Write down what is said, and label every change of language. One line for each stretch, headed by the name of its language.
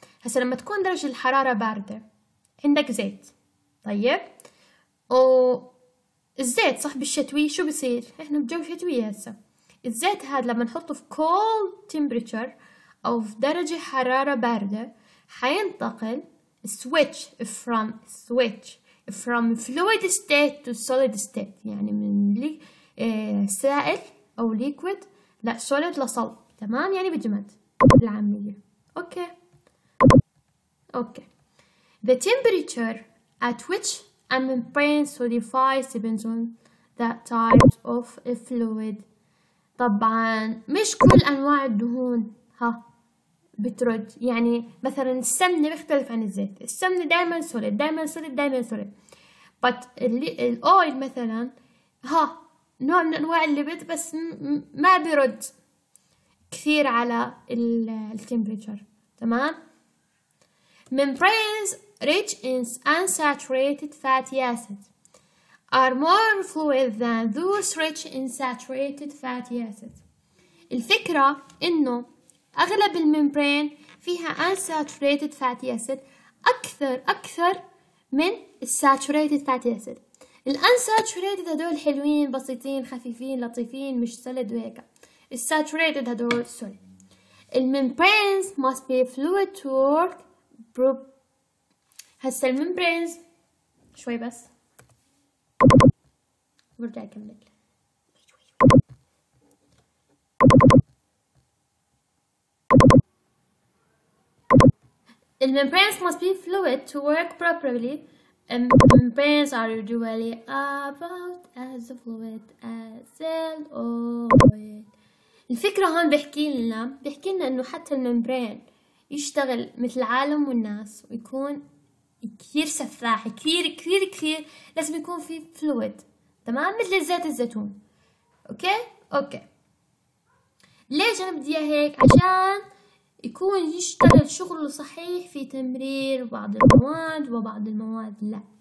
Arabic: هسا لما تكون درجة الحرارة باردة عندك زيت، طيب والزيت صح بالشتوي شو بصير؟ احنا بجو شتوي هسا، الزيت هذا لما نحطه في
English: cold temperature
Arabic: او في درجة حرارة باردة حينتقل
English: switch from fluid state to solid state،
Arabic: يعني من سائل او ليكويد لا سوليد لصلب، تمام؟ يعني بجمد العامية.
English: Okay the temperature at which a membrane solidifies depends on that type of fluid.
Arabic: طبعا مش كل انواع الدهون ها بترد، يعني مثلا السمنة بيختلف عن الزيت، السمنة دائما سوليد دائما سوليد دائما سوليد، but الاويل مثلا ها نوع من انواع الليبيد بس ما بيرد كثير على التمبريتشر، تمام؟
English: membranes rich in unsaturated fatty acid are more fluid than those rich in saturated fatty acids.
Arabic: الفكرة إنه أغلب الممبرين فيها unsaturated fatty acid أكثر من saturated fatty acid. الunsaturated هدول حلوين بسيطين خفيفين لطيفين مش سلد وهيك. الساتوريتد هدول سوري. الممبرينز
English: must be fluid to work
Arabic: هسا الممبرينز شوي بس برجع اكمل. الممبرينز
English: must be fluid to work properly. Membranes are usually about as fluid as an oil.
Arabic: الفكرة هون بحكي لنا انه حتى الممبرين يشتغل مثل العالم والناس ويكون كثير سفاح كثير كثير كثير لازم يكون في فلويد تمام مثل زيت الزيتون. اوكي ليش انا بدي هيك؟ عشان يكون يشتغل شغله صحيح في تمرير بعض المواد وبعض المواد لا.